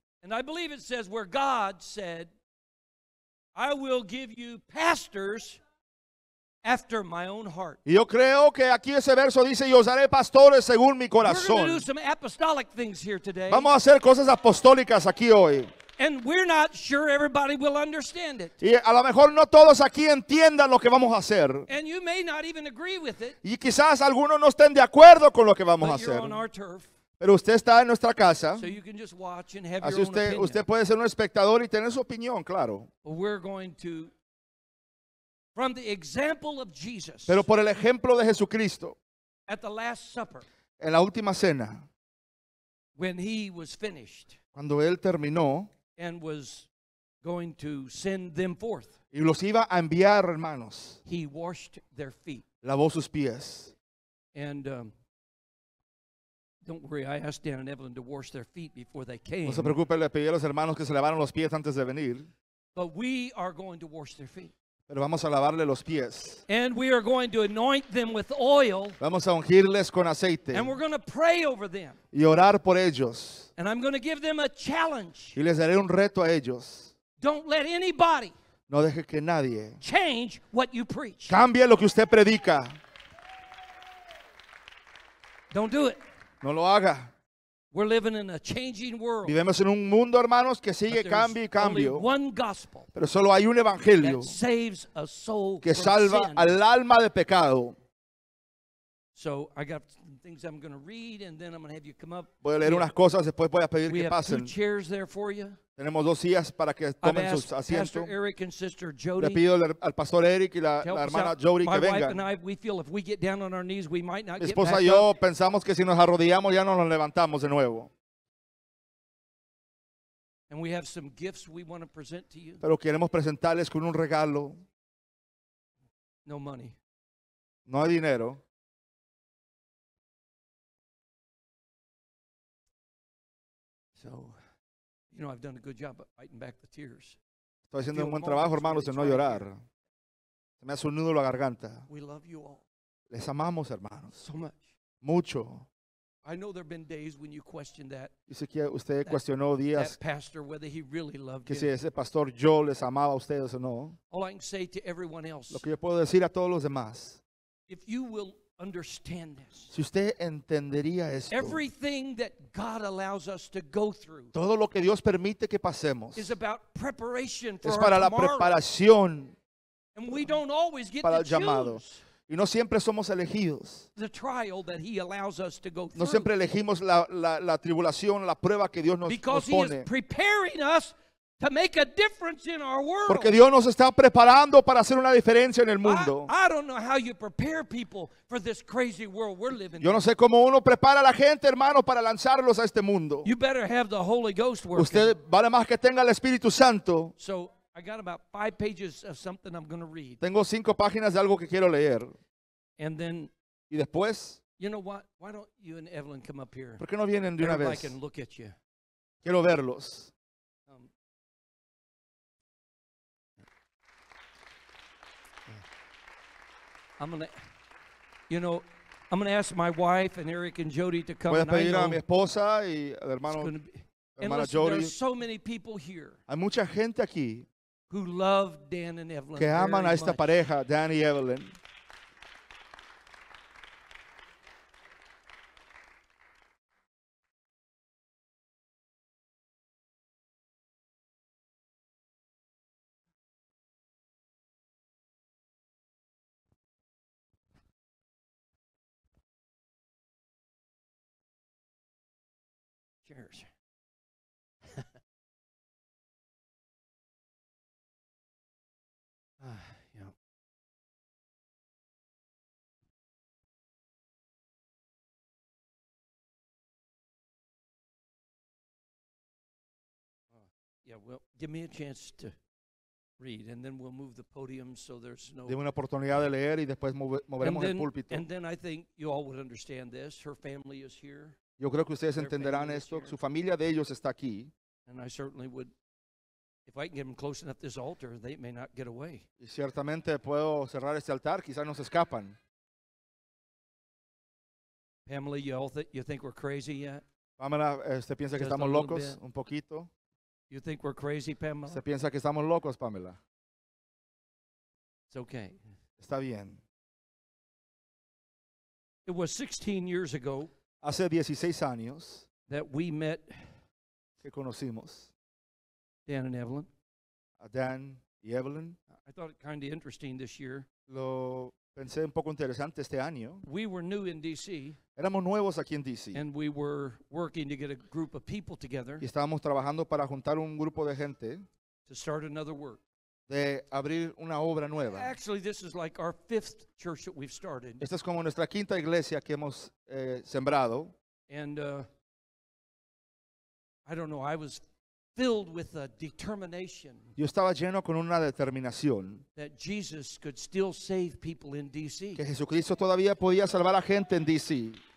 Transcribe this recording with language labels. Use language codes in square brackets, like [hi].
[en] And I believe it says where God said, I will give you pastors after my own heart. [es] Yo creo que aquí ese verso dice, yo os haré pastores según mi corazón. [en] We're going to do some apostolic things here today. [es] Vamos a hacer cosas apostólicas aquí hoy. [en] And we're not sure everybody will understand it. [es] Y a lo mejor no todos aquí entiendan lo que vamos a hacer. [en] And you may not even agree with it. [es] Y quizás algunos no estén de acuerdo con lo que vamos [en] but [es] a hacer. [en] But you're on our turf. [es] Pero usted está en nuestra casa. [en] So you can just watch and have [es] Así [en] your [es] usted, [en] own opinion. [es] Usted puede ser un espectador y tener su opinión, claro. [en] We're going to. From the example of Jesus. [es] Pero por el ejemplo de Jesucristo. [en] At the last supper. [es] En la última cena. [en] When he was finished. [es] Cuando él terminó. [en] And was going to send them forth. [es] Y los iba a enviar, hermanos. [en] He washed their feet. [es] Lavó sus pies. [en] And don't worry, I asked Dan and Evelyn to wash their feet before they came. [es] No se preocupe, le pedí a los hermanos que se lavaran los pies antes de venir. [en] But we are going to wash their feet. [es] Pero vamos a lavarle los pies. [en] And we are going to anoint them with oil. [es] Vamos a ungirles con aceite. [en] And we're going to pray over them. [es] Y orar por ellos. [en] And I'm going to give them a challenge. [es] Y les daré un reto a ellos. [en] Don't let anybody. [es] No deje que nadie. [en] Change what you preach. [es] Cambie lo que usted predica. [en] Don't do it. [es] No lo haga. [en] We're living in a changing world. [es] Vivimos en un mundo, hermanos, que sigue cambio y cambio. [en] Only one gospel. [es] Pero solo hay un evangelio. [en] That saves a soul. [es] Que salva al alma de pecado. [en] So I got some things I'm going to read, and then I'm going to have you come up. [es] Voy a leer unas cosas, después voy a pedir que pasen. [en] We have two chairs there for you. [es] Tenemos dos sillas para que tomen sus asientos. [en] Pastor Eric and Sister Jody. [es] Le pido al pastor Eric y la hermana Jody que vengan. [en] My wife and I, we feel if we get down on our knees, we might not get back up. [es] Mi esposa y yo pensamos que si nos arrodillamos ya no nos levantamos de nuevo. [en] And we have some gifts we want to present to you. [es] Pero queremos presentarles con un regalo. [en] No money. [es] No hay dinero. [en] So. You know, I've done a good job of fighting back the tears. [es] Estoy haciendo un buen trabajo, hermanos, en no llorar. Se me hace un nudo la garganta. [en] We love you all. [es] Les amamos, hermanos. [en] So much. [es] Mucho. [en] I know there have been days when you questioned that. [es] Dice que usted cuestionó días. [en] That pastor, whether he really loved you. [es] Que si ese pastor yo les amaba a ustedes o no. [en] All I can say to everyone else. [es] Lo que yo puedo decir a todos los demás. [en] If you will understand this. [es] Si usted entendería esto. [en] Everything that God allows us to go through. [es] Todo lo que Dios permite que pasemos. [en] Is about preparation for our tomorrow. [es] Es para la preparación. [en] And we don't always get [es] para el llamado. Y no siempre somos elegidos. [en] The trial that he allows us to go through. [es] No siempre elegimos la tribulación, la prueba que Dios nos pone. [en] Because he is preparing us to make a difference in our world. [es] Porque Dios nos está preparando para hacer una diferencia en el mundo. [en] I don't know how you prepare people for this crazy world we're living in. [es] Yo no sé cómo uno prepara a la gente, hermano, para lanzarlos a este mundo. [en] You better have the Holy Ghost working. [es] Usted vale más que tenga el Espíritu Santo. [en] So I got about 5 pages of something I'm going to read. [es] Tengo 5 páginas de algo que quiero leer. [en] And then, [es] y después, [en] you know what? Why don't you and Evelyn come up here? [es] ¿Por qué no vienen de una vez? [en] I can look at you. [es] Quiero verlos. [en] I'm gonna ask my wife and Eric and Jody to come. [es] Voy a pedir a mi esposa y al hermano, hermana [en] Jody. And there's so many people here. [es] Hay mucha gente aquí. [en] Who love Dan and Evelyn. [es] Que aman [en] very [es] a esta [en] much. [es] Pareja, Dan y Evelyn. [en] Cheers. Well, give me a chance to read, and then we'll move the podium so there's no. [es] Dime una oportunidad de leer y después moveremos el púlpito. [en] And then I think you all would understand this. Her family is here. [es] Yo creo que ustedes entenderán esto. Su familia de ellos está aquí. [en] And I certainly would, if I can get them close enough to this altar, they may not get away. [es] Y ciertamente puedo cerrar este altar, quizás no se escapan. [en] Pamela, you think we're crazy yet? [es] Pamela, ¿usted piensa que estamos locos? Un poquito. [en] You think we're crazy, Pamela? [es] Se piensa que estamos locos, Pamela. [en] It's okay. [es] Está bien. [en] It was 16 years ago. [es] Hace 16 años. [en] That we met. [es] Que conocimos. [en] Dan and Evelyn. [es] Dan y Evelyn. [en] I thought it kind of interesting this year. [es] Lo pensé un poco interesante este año. [en] We were new in D.C. [es] Éramos nuevos aquí en D.C. [en] And we were working to get a group of people together. [es] Y estábamos trabajando para juntar un grupo de gente. [en] To start another work. [es] De abrir una obra nueva. [en] Actually, this is like our fifth church that we've started. [es] Esta es como nuestra quinta iglesia que hemos sembrado. [en] And I don't know, I was filled with a determination. [es] Yo estaba lleno con una determinación. [en] That Jesus could still save people in D.C. [es] Que Jesucristo todavía podía salvar a gente en D.C.